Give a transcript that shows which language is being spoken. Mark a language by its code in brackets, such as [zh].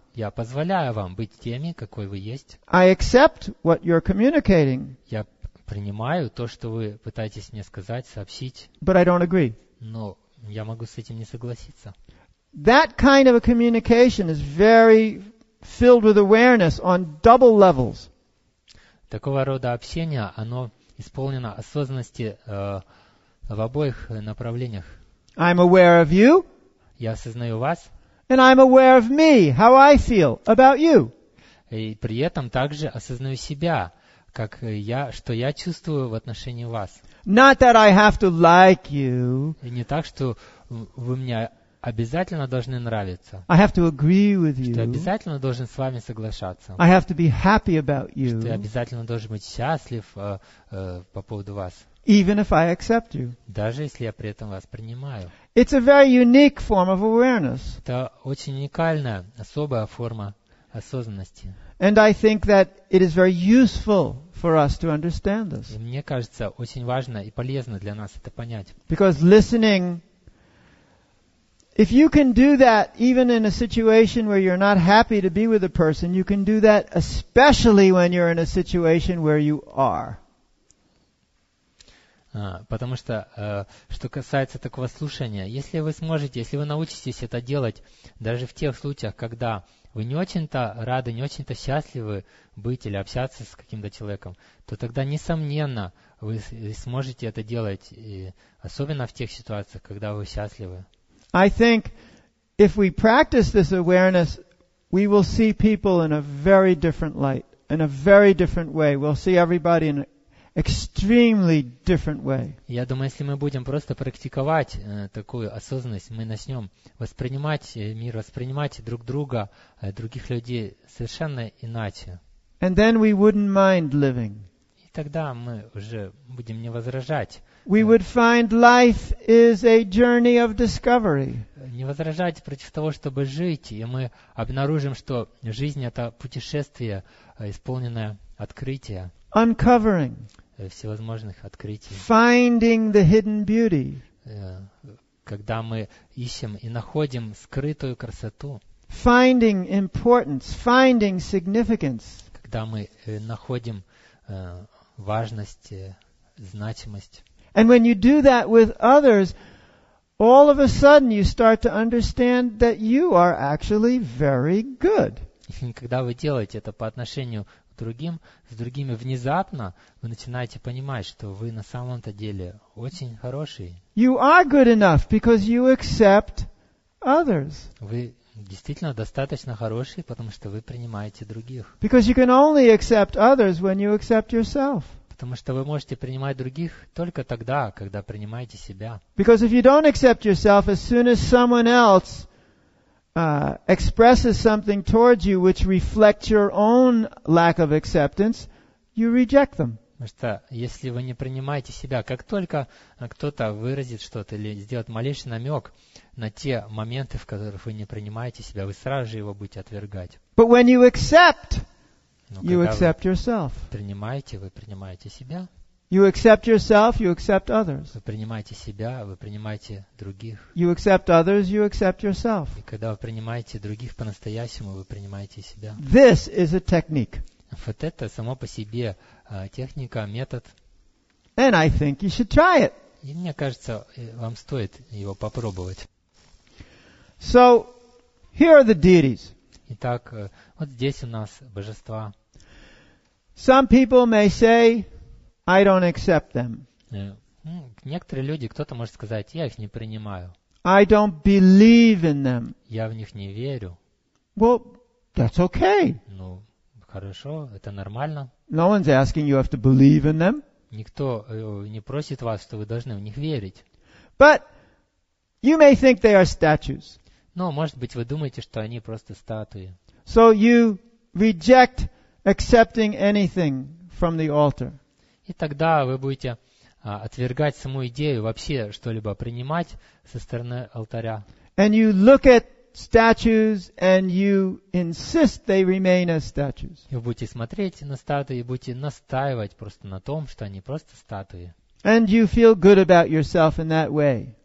[ru] Я позволяю вам быть теми, какой вы есть. [en] I accept what you're communicating. [ru] Я принимаю то, что вы пытаетесь мне сказать, сообщить. [en] But I don't agree. [ru] Но я могу с этим не согласиться. [en] That kind of a communication is very filled with awareness on double levels. [ru] Такого рода общение, оно исполнено осознанности в обоих направлениях. [en] I'm aware of you. [ru] Я осознаю вас. [en] And I'm aware of me, how I feel about you. [ru] И при этом также осознаю себя, как я, что я чувствую в отношении вас. [en] Not that I have to like you. [ru] И не так, что вы мне обязательно должны нравиться. [en] I have to agree with you. [ru] Что я обязательно должен с вами соглашаться. [en] I have to be happy about you. [ru] Что я обязательно должен быть счастлив по поводу вас. [en] Even if I accept you. [ru] Даже если я при этом вас принимаю. [en] It's a very unique form of awareness. [ru] Это очень уникальная, особая форма осознанности. [en] And I think that it is very useful for us to understand this. [ru] И мне кажется, очень важно и полезно для нас это понять. [en] Because listening, if you can do that even in a situation where you're not happy to be with a person, you can do that especially when you're in a situation where you are. [ru] Потому что, что касается такого слушания, если вы сможете, если вы научитесь это делать, даже в тех случаях, когда вы не очень-то рады, не очень-то счастливы быть или общаться с каким-то человеком, то тогда, несомненно, вы сможете это делать, и особенно в тех ситуациях, когда вы счастливы. [en] I think if we practice this awareness, we will see people in a very different light, in a very different way. We'll see everybody in extremely different way. [ru] Я думаю, если мы будем просто практиковать такую осознанность, мы начнем воспринимать мир, воспринимать друг друга, других людей совершенно иначе. [en] And then we wouldn't mind living. [ru] И тогда мы уже будем не возражать. [en] We would find life is a journey of discovery. [ru] Не возражать против того, чтобы жить, и мы обнаружим, что жизнь — это путешествие, исполненное открытия. [en] Uncovering. [ru] Всевозможных открытий. [en] Finding the hidden beauty. [ru] Когда мы ищем и находим скрытую красоту. [en] Finding importance, finding significance. [ru] Когда мы находим важность, значимость. [en] And when you do that with others, all of a sudden you start to understand that you are actually very good. [ru] Когда вы делаете это по отношению другим, с другими, внезапно вы начинаете понимать, что вы на самом-то деле очень хороший. [en] You are good enough because you accept others. [ru] Вы действительно достаточно хороший, потому что вы принимаете других. [en] Because you can only accept others when you accept yourself. [ru] Потому что вы можете принимать других только тогда, когда принимаете себя. [en] Because if you don't accept yourself, as soon as someone else expresses something towards you which reflects your own lack of acceptance, you reject them. [ru] Потому что если вы не принимаете себя, как только кто-то выразит что-то или сделает малейший намек на те моменты, в которых вы не принимаете себя, вы сразу же его будете отвергать. [en] But when you accept, you accept yourself. [ru] Принимаете, вы принимаете себя. [en] You accept yourself, you accept others. [ru] Вы принимаете себя, вы принимаете других. [en] You accept others, you accept yourself. [ru] И когда вы принимаете других по-настоящему, вы принимаете себя. [en] This is a technique. [ru] Вот это само по себе техника, метод. [en] And I think you should try it. [ru] И мне кажется, вам стоит его попробовать. [en] So, here are the deities. [ru] Итак, вот здесь у нас божества. [en] Some people may say, I don't accept them. [ru] Некоторые люди, кто-то может сказать, я их не принимаю. [en] I don't believe in them. [ru] Я в них не верю. [en] Well, that's okay. [ru] Ну, хорошо, это нормально. [en] No one's asking you have to believe in them. [ru] Никто не просит вас, что вы должны в них верить. [en] But you may think they are statues. [ru] Но, может быть, вы думаете, что они просто статуи. [en] So you reject accepting anything from the altar. [ru] И тогда вы будете отвергать саму идею вообще что-либо принимать со стороны алтаря. [en] And you look at statues and you insist they remain as statues. [ru] И вы будете смотреть на статуи и будете настаивать просто на том, что они просто статуи. [en] And you feel good about yourself in that way.